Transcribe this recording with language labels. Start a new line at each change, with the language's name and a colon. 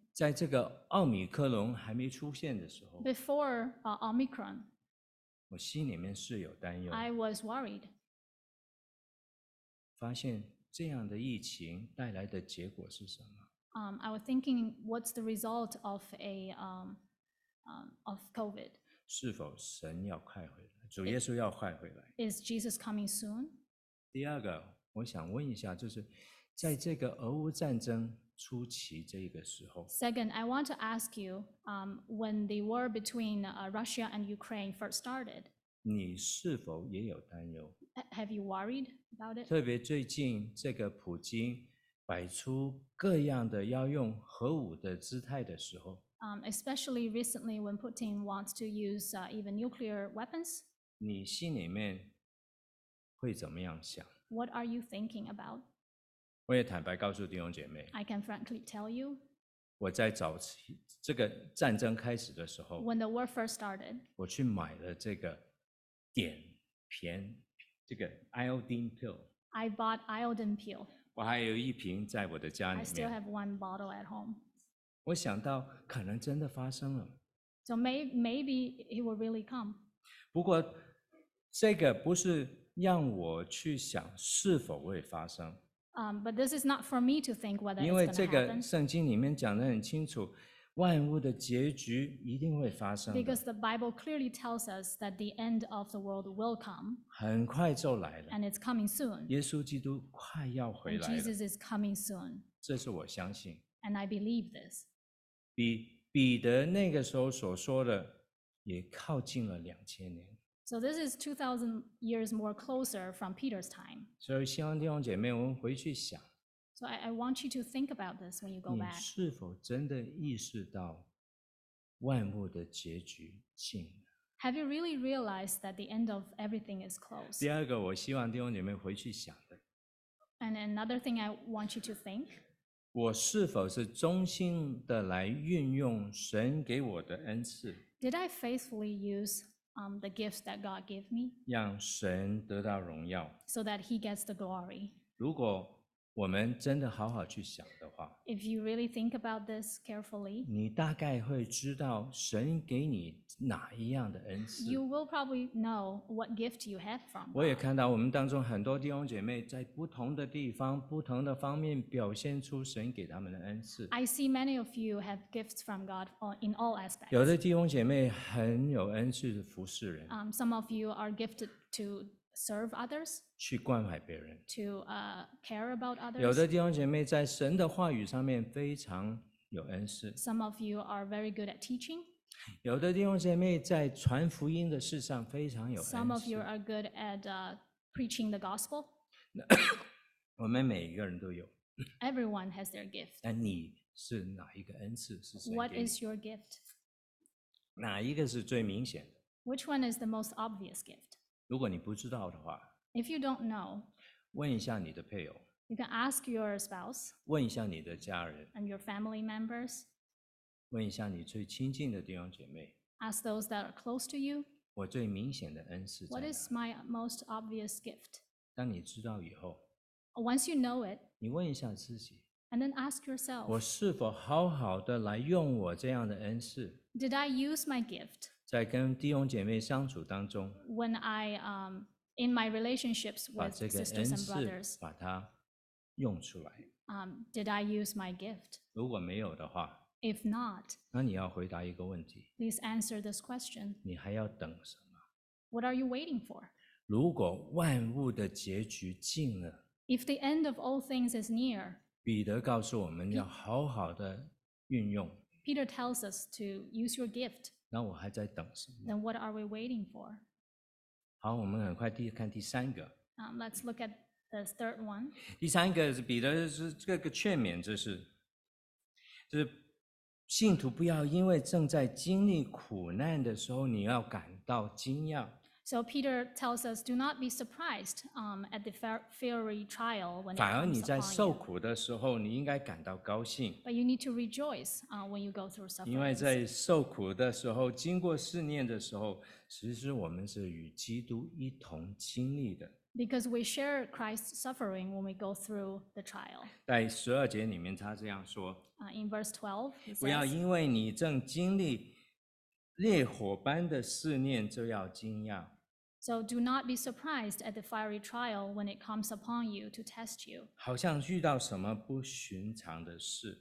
Chinese: 在这个奥米克隆还没出现的时候
English: ，before Omicron，
Chinese: 我心里面是有担忧。
English: I was worried。
Chinese: 发现这样的疫情带来的结果是什么
English: ？I was thinking what's the result of a of COVID？
Chinese: 是否神要快回来？主耶稣要快回来
English: ？Is Jesus coming soon？
Chinese: 第二个，我想问一下，就是在这个俄乌战争初期这个时候
English: ，Second, I want to ask you, when the war between Russia and Ukraine first started，
Chinese: 你是否也有担忧
English: ？Have you worried about it？
Chinese: 特别最近这个普京摆出各样的要用核武的姿态的时候
English: ，Especially recently when Putin wants to use even nuclear weapons，
Chinese: 你心里面会怎么样想
English: ？What are you thinking about？
Chinese: 我也坦白告诉弟兄姐妹
English: ，I can frankly tell you，
Chinese: 我在早期这个战争开始的时候
English: ，When the war first started，
Chinese: 我去买了这个碘片，这个 iodine pill。
English: I bought iodine pill。
Chinese: 我还有一瓶在我的家里面。
English: I still have one bottle at home。
Chinese: 我想到可能真的发生了。
English: So maybe it will really come。
Chinese: 不过这个不是让我去想是否会发生。
English: But this is not for me to think whether it's going to happen.
Chinese: 因为这个圣经里面讲得很清楚，万物的结局一定会发生的。
English: Because the Bible clearly tells us that the end of the world will come.
Chinese: 很快就来了。
English: And it's coming soon.
Chinese: 耶稣基督快要回来了。
English: Jesus is coming soon.
Chinese: 这是我相信。
English: And I believe this.
Chinese: 彼得那个时候所说的，也靠近了两千年。
English: So this is 2,000 years more closer from Peter's time.
Chinese: 所以希望弟兄姐妹，我们回去想。
English: So I want you to think about this when you go back.
Chinese: 你是否真的意识到万物的结局近了
English: ？Have you really realized that the end of everything is close?
Chinese: 第二个，我希望弟兄姐妹回去想的。
English: And another thing I want you to think.
Chinese: 我是否是忠心的来运用神给我的恩赐
English: ？Did I faithfully use the gifts that God gave me，
Chinese: 让神得到荣耀
English: ，so that He gets the glory。
Chinese: 如果我们真的好好去想的话
English: ，if you really think about this carefully，
Chinese: 你大概会知道神给你哪一样的恩赐。
English: You will probably know what gift you have from。
Chinese: 我也看到我们当中很多弟兄姐妹在不同的地方、不同的方面表现出神给他们的恩赐。
English: I see many of you have gifts from God in all aspects。
Chinese: 有的弟兄姐妹很有恩赐服侍人。
English: Some of you are gifted to serve others。
Chinese: 去关怀别人。
English: To care about others。
Chinese: 有的弟兄姐妹在神的话语上面非常有恩赐。
English: Some of you are very good at teaching。
Chinese: 有的弟兄姐妹在传福音的事上非常有恩赐。
English: Some of you are good at preaching the gospel。
Chinese: 我们每一个人都有。
English: Everyone has their gift。
Chinese: 那你是哪一个恩赐是谁给你？
English: What is your gift？
Chinese: 哪一个是最明显的？
English: Which one is the most obvious gift？
Chinese: 如果你不知道的话，
English: If you don't know，
Chinese: 问一下你的配偶。
English: You can ask your spouse。
Chinese: 问一下你的家人。
English: And your family members。
Chinese: 问一下你最亲近的弟兄姐妹。
English: Ask those that are close to you。
Chinese: 我最明显的恩赐。
English: What is my most obvious gift？
Chinese: 当你知道以后。
English: Once you know it。
Chinese: 你问一下自己。
English: And then ask yourself。
Chinese: 我是否好好的来用我这样的恩赐
English: ？Did I use my gift？
Chinese: 在跟弟兄姐妹相处当中。
English: When I in my relationships with sisters and brothers。
Chinese: 把这个恩赐把它用出来。
English: Did I use my gift？
Chinese: 如果没有的话。
English: If not，
Chinese: 那你要回答一个问题。
English: Please answer this question。
Chinese: 你还要等什么
English: ？What are you waiting for？
Chinese: 如果万物的结局近了
English: ，If the end of all things is near，
Chinese: 彼得告诉我们要好好的运用。
English: Peter tells us to use your gift。
Chinese: 那我还在等什么
English: ？Then what are we waiting for？
Chinese: 好，我们很快看第三个。
English: Let's look at the third one。
Chinese: 第三个是彼得是这个劝勉，就是。信徒不要因为正在经历苦难的时候，你要感到惊讶。
English: So Peter tells us, do not be surprised at the fiery trial when it comes upon you.
Chinese: 反而你在受苦的时候，你应该感到高兴。
English: But you need to rejoice when you go through suffering.
Chinese: 因为在受苦的时候，经过试炼的时候，其实我们是与基督一同经历的。
English: Because we share Christ's suffering when we go through the trial.
Chinese: 在十二节里面，他这样说。
English: In verse 12, he says,
Chinese: 不要因为你正经历烈火般的试炼，就要惊讶。
English: So do not be surprised at the fiery trial when it comes upon you to test you.
Chinese: 好像遇到什么不寻常的事。